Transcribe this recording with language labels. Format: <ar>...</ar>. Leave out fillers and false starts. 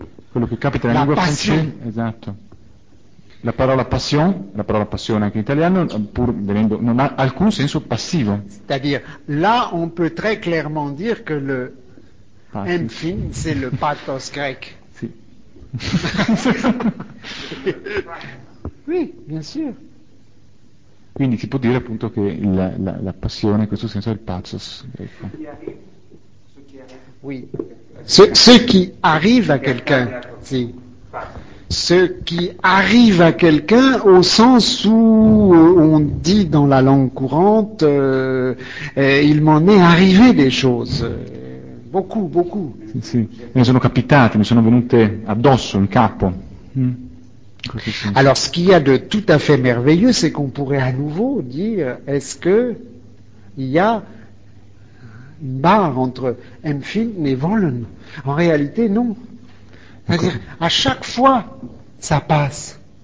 <it>Quello che capita nella lingua francese, esatto. La parola passion, la parola passione anche in italiano, pur venendo, non ha alcun senso passivo.</it> <fr>C'est-à-dire, là on peut très clairement dire que le enfin, c'est le pathos grec.</fr> <it>Si.</it> <fr>Oui, bien sûr.</fr> <it>Quindi si può dire appunto che la passione in questo senso è il pathos greco.</it> <fr>Oui. Ce qui arrive à quelqu'un, si. Ce qui arrive à quelqu'un au sens où on dit dans la langue courante, il m'en est arrivé des choses, beaucoup, beaucoup.</fr> <it>Sì, sì. Mi sono capitate, mi sono venute addosso, in capo.</it> <fr>Alors, ce qu'il y a de tout à fait merveilleux, c'est qu'on pourrait à nouveau dire, est-ce que il y a une barre entre Empfinden et Wollen? En réalité, non. C'est-à-dire, à chaque fois, ça passe.</fr>